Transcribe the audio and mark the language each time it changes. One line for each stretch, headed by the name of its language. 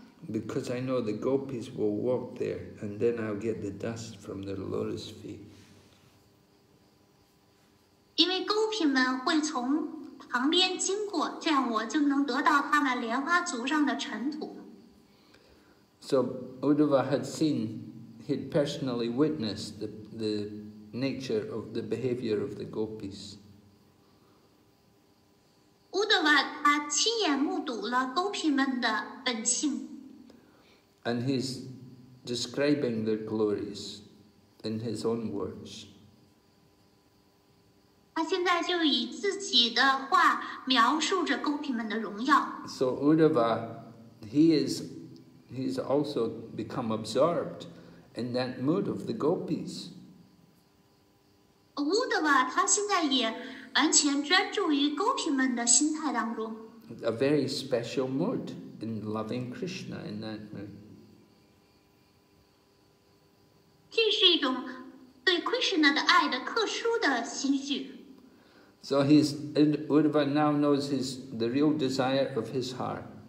English: Because I know the gopis will walk there and then I'll get the dust from their lotus feet.
Chinese: 因为勾品们会从旁边经过，这样我就能得到他们莲花族上的尘土。
English: So Uddhava had seen, he'd personally witnessed the nature of the behavior of the gopis.
Chinese: Uddhava 他亲眼目睹了勾品们的本性。
English: And he's describing their glories in his own words.
Chinese: 他现在就以自己的话描述着勾品们的荣耀。
English: So Uddhava, he's also become absorbed in that mood of the gopis.
Chinese: Uddhava, 他现在也完全专注于勾品们的心态当中。
English: A very special mood in loving Krishna in that mood.
Chinese: 这是一种对 Krishna 的爱的特殊的心绪。
English: So he's, Uddhava now knows his, the real desire of his heart.